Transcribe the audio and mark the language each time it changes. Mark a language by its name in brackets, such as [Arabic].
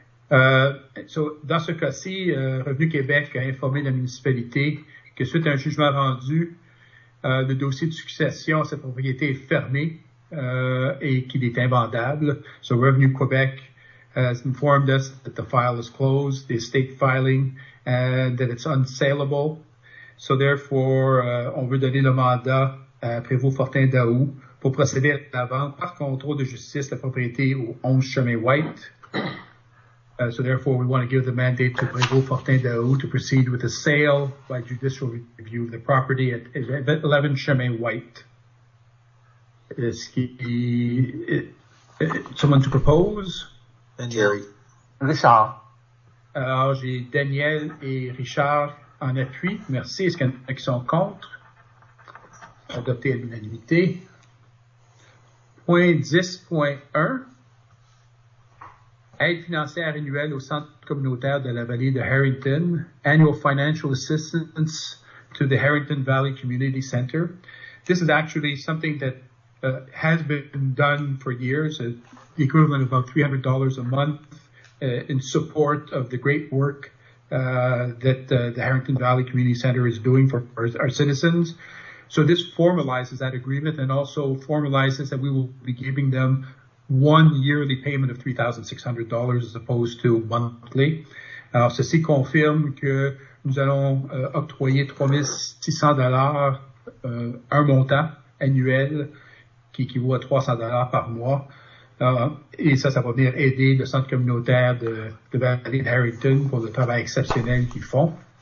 [French] Dans ce cas-ci, Revenu Québec a informé la municipalité que suite à un jugement rendu, le dossier de succession à cette propriété est fermé et qu'il est invendable. [English] So Revenu Québec has informed us that the file is closed, the estate filing, and that it's unsaleable. So therefore, [French] on veut donner le mandat à Prévost-Fortin Daou pour procéder à la vente par contrôle de justice de la propriété au 11 Chemin White. [English] So therefore, we want to give the mandate to Prévost-Fortin Daou to proceed with the sale by judicial review of the property at 11 Chemin White. Is he someone to propose? And Jerry. Richard. [French] Alors, j'ai Daniel et Richard en appui. Merci. Est-ce qu'il y en a qui sont contre? Adopté à l'unanimité. Point 10.1. Aide financière annuelle au centre communautaire de la vallée de Harrington. [English] Annual financial assistance to the Harrington Valley Community Center. This is actually something that has been done for years, the equivalent of about $300 a month. In support of the great work that the Harrington Valley Community Center is doing for our citizens. So this formalizes that agreement and also formalizes that we will be giving them one yearly payment of $3,600 as opposed to monthly. [French] Alors, ceci confirme que nous allons octroyer $3,600, un montant annuel qui équivaut à $300 par mois. Et ça va venir aider le centre communautaire de Valley Harrington pour le travail exceptionnel qu'ils font.